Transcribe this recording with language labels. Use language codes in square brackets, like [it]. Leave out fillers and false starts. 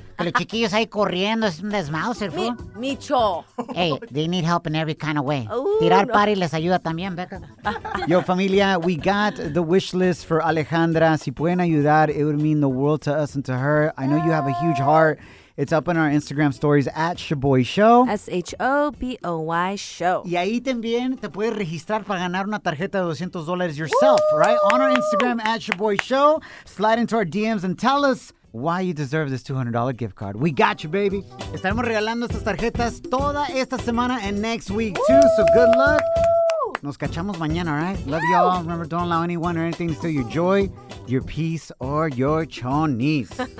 [es] Que los chiquillos ahí corriendo, es un desmauser, fool. Micho. [en] Hey, they need help in every kind of way. Ooh, [es] tirar party les ayuda también, Becca. [en] Yo, familia, we got the wish list for Alejandra. [es] Si pueden ayudar, [en] it would mean the world to us and to her. I know you have a huge heart. It's up on our Instagram stories at Shaboy Show. S-H-O-B-O-Y Show. [es] Y ahí también te puedes registrar para ganar una tarjeta de $200 yourself, Woo! [en] Right? On our Instagram at Shaboy Show. Slide into our DMs and tell us why you deserve this $200 gift card. We got you, baby. [es] Estaremos regalando estas tarjetas toda esta semana [en] and next week, too. Woo! So good luck. [es] Nos cachamos mañana, [en] all right? Love y'all. Remember, don't allow anyone or anything to steal your joy, your peace, or your chonies.